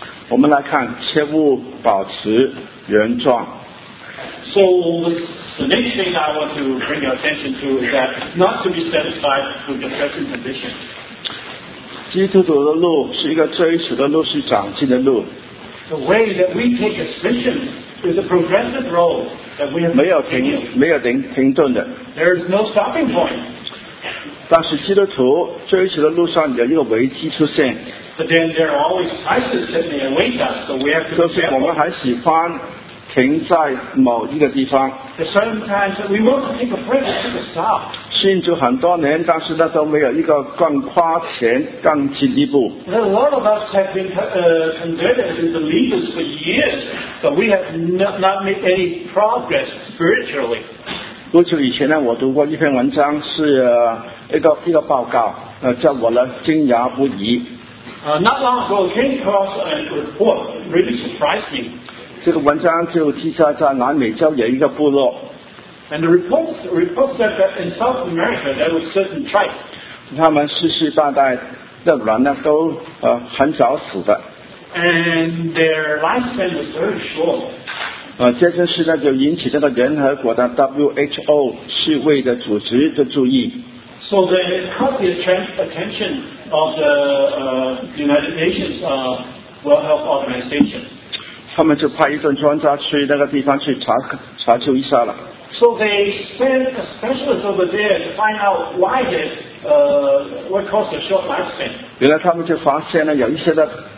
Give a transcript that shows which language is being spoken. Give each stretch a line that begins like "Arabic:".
Chinese: 我们来看，切勿保持原状。
English: So the next thing I want to bring your attention to is that not to be satisfied with the present condition.
Chinese: 基督徒的路是一个追求的路，是长进的路。
English: The way that we take decisions. It's a progressive road that we have to continue.
Chinese: 没有停顿的。
English: There is no stopping point.
Chinese: 但是基督徒追求的路上有一个危机出现。
English: But then there are always crises that may await us, so we have to be careful.
Chinese: 就是我们还喜欢停在某一个地方。
English: There's certain times that we want to take a break and take a stop.
Chinese: 信主很多年，但是那都没有一个更跨前、更进一步。
English: A lot of us have been converted into believers for years. But we have not made any progress spiritually.
Chinese: 不久以前呢，我读过一篇文章，是一个报告，叫我呢惊讶不已。
English: Not long ago, came across a report really surprised me.
Chinese: 这个文章就记载在南美洲有一个部落。
English: And the report said that in South America there was certain tribe.
Chinese: 他们世世代代的人呢都很早死的。
English: And their lifespan was very short.
Chinese: 这件事呢就引起这个联合国的 WHO 世卫的组织的注意。
English: So then it caught the attention of the United Nations World Health Organization.
Chinese: 他们就派一队专家去那个地方去查究一下了。
English: So they sent a specialist over there to find out why this what caused the short lifespan.
Chinese: 原来他们就发现了有一些的。